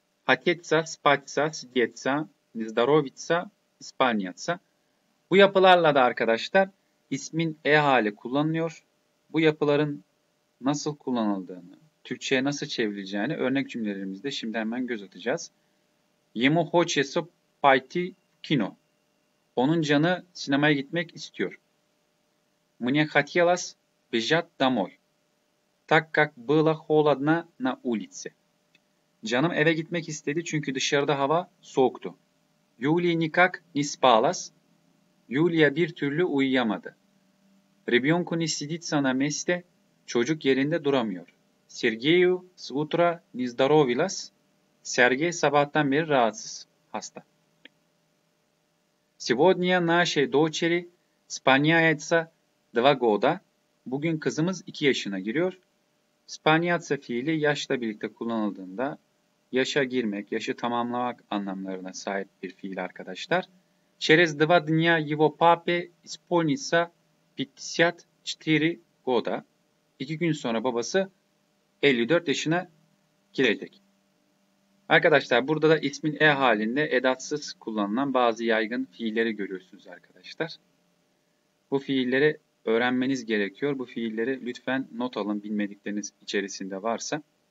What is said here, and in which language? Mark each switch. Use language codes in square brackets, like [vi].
[ru] Hatetsa, spatsa, sidetsa, nizdarovitsa, ispanyatsa. [tr] Bu yapılarla da arkadaşlar ismin e hali kullanılıyor. Bu yapıların nasıl kullanıldığını, Türkçe'ye nasıl çevrileceğini örnek cümlelerimizde şimdi hemen göz atacağız. [ru] Ему хочется пойти в кино. [tr] Onun canı sinemaya gitmek istiyor. [ru] Мне хотелось бежать домой, так как было холодно на улице. [tr] Canım eve gitmek istedi çünkü dışarıда hava soğuktu. [ru] Юлия никак не спалась. [tr] Юлия bir türlü uyuyamadı. [ru] Ребенку не сидится на месте. [tr] Çocuk yerinde duramıyor. [ru] Сергею с утра не здоровилась. [tr] Сергей sabahtan beri rahatsız, hasta. [ru] Сегодня нашей дочери исполняется 2 года. [tr] Bugün kızımız 2 yaşına giriyor. Исполняться fiili yaşla birlikte kullanıldığında yaşa girmek, yaşı tamamlamak anlamlarına sahip bir fiil arkadaşlar. [ru] Через 2 дня его папе исполнится 54 года. [tr] 2 gün sonra babası 54 yaşına girecek. Arkadaşlar, burada da ismin e halinde edatsız kullanılan bazı yaygın fiilleri görüyorsunuz arkadaşlar. Bu fiilleri öğrenmeniz gerekiyor. Bu fiilleri lütfen not alın, bilmedikleriniz içerisinde varsa.